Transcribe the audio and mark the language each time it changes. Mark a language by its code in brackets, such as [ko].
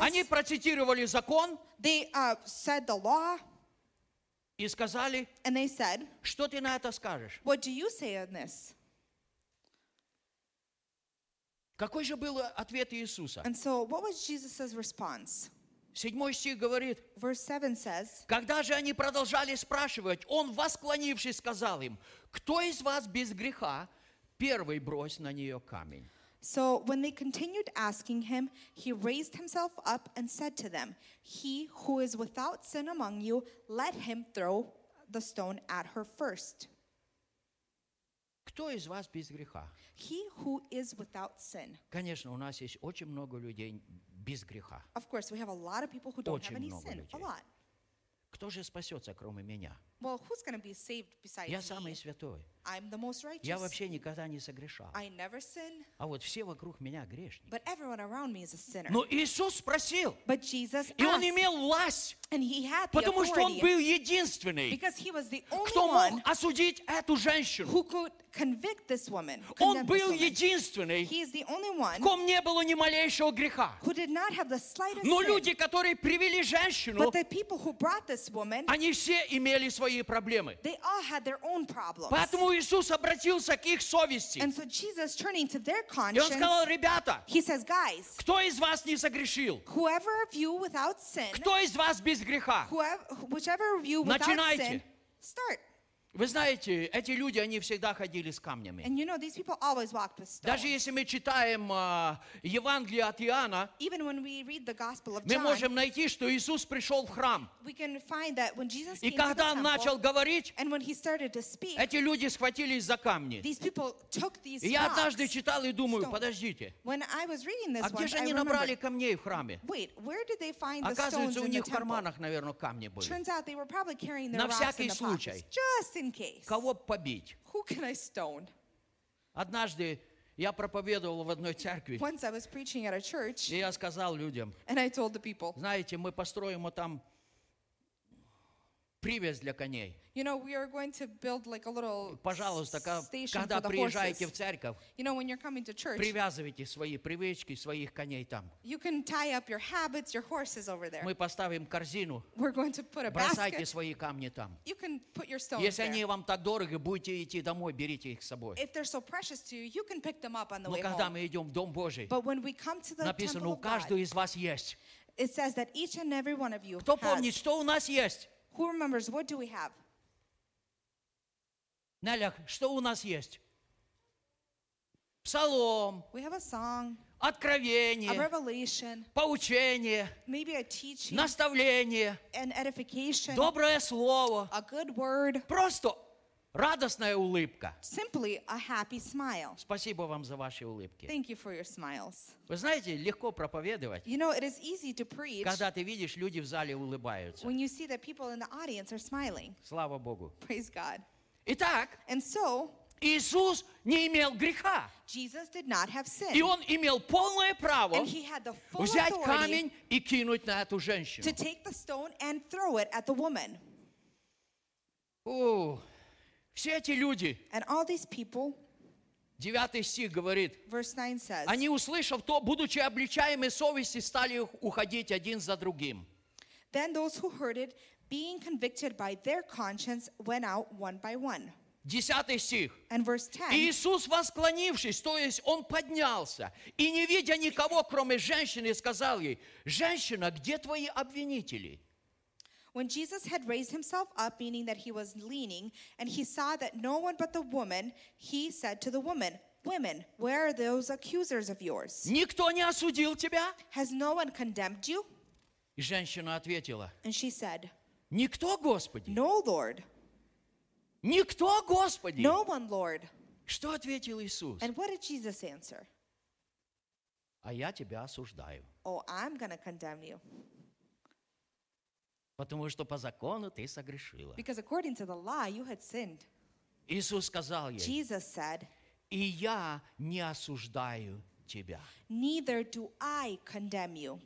[ru] Они процитировали закон. [en] They said the law. [ru] И сказали, [en] and they said, [ru] что ты на это скажешь? [en] What do you say on this? [ru] Какой же был ответ Иисуса? [en] And so what was Jesus's response? [ru] Седьмой стих говорит, [en] verse 7 says, [ru] когда же они продолжали спрашивать, он, восклонившись, сказал им, кто из вас без греха, первый брось на нее камень. [en] So when they continued asking him, he raised himself up and said to them, he who is without sin among you, let him throw the stone at her first. [ru] Кто из вас без греха? [en] He who is without sin. [ru] Конечно, у нас есть очень много людей без греха. [en] Of course, we have a lot of people who don't [ru] очень [en] have any sin. [ru] Людей. [en] A lot. [ru] Кто же спасется, кроме меня? [en] Well, who's going to be saved besides [ru] я [en] me? [ru] Я самый святой. [en] I'm the most righteous. [ru] Я вообще никогда не согрешал. [en] I never sin. [ru] А вот все вокруг меня грешники. [en] But everyone around me is a sinner. [ru] Но Иисус спросил. [en] But Jesus [ru] и он имел власть. [en] And he had the [ru] потому Потому что он был единственный. [en] Because he was the only [ru] кто мог [en] one [ru] осудить эту женщину. [en] Who could convict this woman. [ru] Он был единственный. [en] He is the only one. [ru] В ком не было ни малейшего греха. [en] Who did not have the slightest [ru] но [en] sin. [ru] Люди, которые привели женщину. [en] But the people who brought this woman. [ru] Они все имели свои проблемы. [en] They all had their own problems. [ru] Поэтому Иисус обратился к их совести. [en] And so Jesus, turning to their conscience, [ru] и он сказал, ребята, [en] he says, guys, [ru] кто из вас не согрешил? [en] Whoever of you without sin, [ru] кто из вас без греха? [en] Whichever of you without [ru] начинайте. [en] Sin, start. [ru] Вы знаете, эти люди, они всегда ходили с камнями. [en] And you know, these people always walked with stones. [ru] Даже если мы читаем Евангелие от Иоанна, [en] even when we read the Gospel of John, [ru] мы можем найти, что Иисус пришел в храм. [en] We can find that when Jesus [ru] и когда Он начал говорить, [en] and when he started to speak, [ru] эти люди схватились за камни. [en] These people took these rocks. [ru] И я однажды читал и думаю, подождите, [en] when I was reading this [ru] а где же [en] one, [ru] они [en] I [ru] набрали [en] remember, [ru] камней в храме? [en] Wait, where did they find [ru] оказывается, [en] the stones [ru] у них [en] in the [ru] в карманах, наверное, камни были. [en] Turns out they were probably carrying their [ru] на [en] rocks [ru] всякий [en] in the [ru] случай. [en] Just in case. [ru] Кого побить? [en] Who can I stone? [ru] Однажды я проповедовал в одной церкви. [en] Once I was preaching at a church. [ru] И я сказал людям. [en] And I told the people. [ru] Знаете, мы построим вот там привес для коней. [en] You know, we are going to build like a little station for the horses. [ru] Пожалуйста, когда приезжаете в церковь, [en] you know, when you're coming to church, [ru] привязывайте свои привычки, своих коней там. [en] You can tie up your habits, your horses over there. [ru] Мы поставим корзину. [en] We're going to put a [ru] бросайте [en] basket. [ru] Бросайте свои камни там. [en] You can put your stones. [ru] Если они [en] there. [ru] Вам так дороги, будете идти домой, берите их с собой. [en] If they're so precious to you, you can pick them up on the [ru] Но [en] way [ru] когда [en] home. [ru] Мы идем в дом Божий, [en] but when we come to the [ru] написано, [en] temple [ru] у каждого [en] God, [ru] из вас есть. [en] It says that each and every one of you. [ru] Кто [en] has. [ru] Помнит, что у нас есть? [en] Who remembers? What do we have? [ru] Нелях, что у нас есть? Псалом. [en] We have a song. [ru] Откровение. [en] A revelation. [ru] Поучение. [en] Maybe a teaching. [ru] Наставление. [en] An edification. [ru] Доброе слово. [en] A good word. [ru] Просто радостная улыбка. [en] Simply a happy smile. [ru] Спасибо вам за ваши улыбки. [en] Thank you for your smiles. [ru] Вы знаете, легко проповедовать. [en] You know, it is easy to preach. [ru] Когда ты видишь, люди в зале улыбаются. [en] When you see that people in the audience are smiling. [ru] Слава Богу. [en] Praise God. [ru] Итак, [en] and so, [ru] Иисус не имел греха. [en] Jesus did not have sin. [ru] И он имел полное право [en] and he had the full [ru] взять камень и кинуть на эту женщину. [en] To take the stone and throw it at the woman. [ru] Ooh. Все эти люди, [en] and all these people, [ru] 9 стих говорит, [en] verse 9 says, [ru] они, услышав то, будучи обличаемы совести, стали уходить один за другим. [en] Then those who heard it, being convicted by their conscience, went out one by one. [ru] 10 стих. [en] And verse 10. [ru] Иисус, восклонившись, то есть Он поднялся, и не видя никого, кроме женщины, сказал ей, «Женщина, где твои обвинители?» [en] When Jesus had raised himself up, meaning that he was leaning, and he saw that no one but the woman, he said to the woman, Women, where are those accusers of yours? [ru] Никто не осудил тебя? [en] Has no one condemned you? [ru] И женщина ответила, [en] and she said, [ru] Никто, Господи. [en] No, Lord. [ru] Никто, Господи. [en] No one, Lord. [ru] Что ответил Иисус? [en] And what did Jesus answer? [ru] А я тебя осуждаю. [en] Oh, I'm going to condemn you. [ru] Потому что по закону ты согрешила. [en] Because according to the law, you had sinned. [ru] Иисус сказал ей, [en] Jesus said, [ru] и я не осуждаю тебя. [en] Neither do I condemn you.